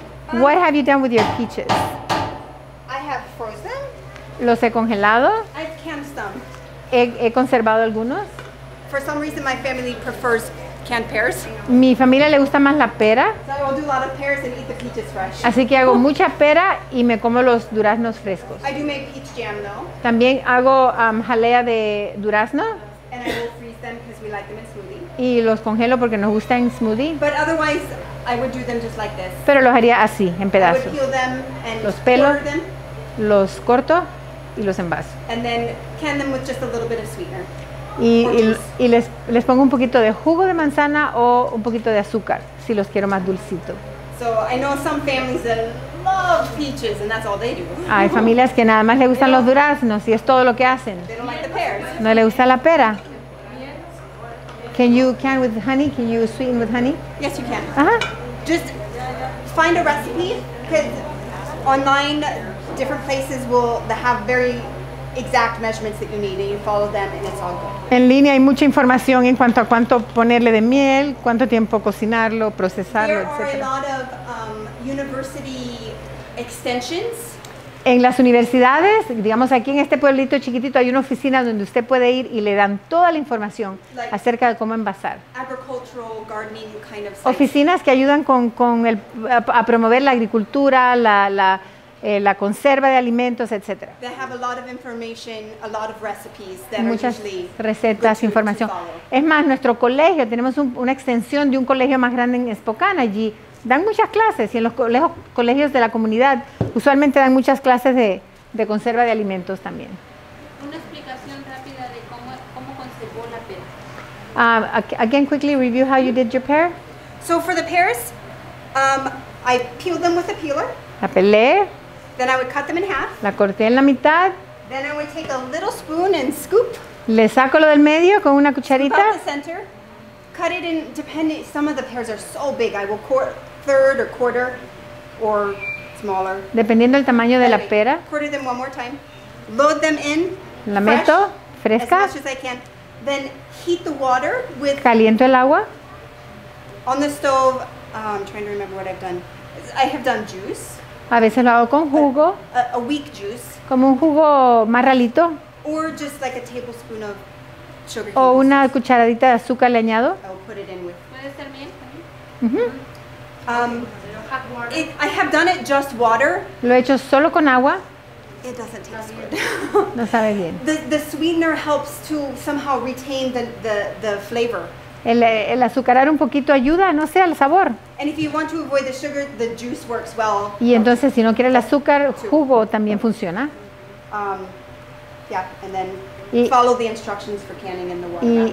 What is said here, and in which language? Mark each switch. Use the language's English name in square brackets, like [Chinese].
[English] What have you done with your peaches? I have frozen. [Spanish] Los he congelado. [English] I've canned some. [Spanish] He conservado algunos. [English] For some reason, my family prefers canned pears. [Spanish] Mi familia le gusta más la pera. [English] So I'll do a lot of pears and eat the peaches fresh. [Spanish] Así que hago mucha pera y me como los duraznos frescos. [English] I do make peach jam, though. [Spanish] También hago jalea de durazno. [English] And I will freeze them because we like them in smoothie. [Spanish] Y los congelo porque nos gusta en smoothie. [English] But otherwise, I would do them just like this. [Spanish] Pero los haría así, en pedazos. [English] I would peel them and [Spanish] los pelo, [English] quarter them. [Spanish] Los corto y los envaso. [English] And then can them with just a little bit of sweetener. [Spanish] Y les pongo un poquito de jugo de manzana o un poquito de azúcar, si los quiero más dulcito. [English] So I know some families that love peaches and that's all they do. [Spanish] Hay familias que nada más le gustan los duraznos y es todo lo que hacen. [English] They don't like the pears. [Spanish] No le gusta la pera. [English] Can you can with honey? Can you sweeten with honey? Yes, you can. Uh-huh. Just find a recipe, because online different places will have very exact measurements that you need, and you follow them, and it's all good. [Spanish] En línea hay mucha información en cuanto a cuánto ponerle de miel, cuánto tiempo cocinarlo, procesarlo, etc. [English] There are a lot of university extensions. [Spanish] En las universidades, digamos aquí en este pueblito chiquitito, hay una oficina donde usted puede ir y le dan toda la información [English] like [Spanish] acerca de cómo envasar. [English] Agricultural gardening kind of sites. [Spanish] Oficinas que ayudan a promover la agricultura, la conserva de alimentos, etc. [English] They have a lot of information, a lot of recipes that [Spanish] muchas [English] are usually [Spanish] recetas, información. Es más, nuestro colegio, tenemos una extensión de un colegio más grande en Spokane allí. Dan muchas clases y en los colegios de la comunidad usualmente dan muchas clases de conserva de alimentos también. Una explicación rápida de cómo conservó la pera. [English] Again, quickly review how you did your pear. So for the pears, I peeled them with a peeler. [Spanish] La pelé. [English] Then I would cut them in half. [Spanish] La corté en la mitad. [English] Then I would take a little spoon and scoop. [Spanish] Le saco lo del medio con una cucharita. [English] Scoop out the center. Cut it in, depending, some of the pears are so big, I will third or quarter or smaller. [Spanish] Dependiendo del tamaño de la pera. [English] Quarter them one more time. Load them in. [Spanish] La meto fresca. [English] As much as I can. Then heat the water with. [Spanish] Caliento el agua. [English] On the stove, I'm trying to remember what I've done. I have done juice. [Spanish] A veces lo hago con jugo. [English] A weak juice. [Spanish] Como un jugo marralito. [English] Or just like a tablespoon of. [Spanish] O una cucharadita de azúcar le añado. Puede ser miel también. [English] I have done it just water. [Spanish] Lo he hecho solo con agua. [English] It doesn't taste good. [Spanish] No sabe bien. [English] The sweetener helps to somehow retain the flavor. [Spanish] El azucarar un poquito ayuda, no sé, al sabor. [English] And if you want to avoid the sugar, the juice works well. [Spanish] Y entonces, si no quiere el azúcar, jugo también funciona. [English] And then follow the instructions for canning in the water.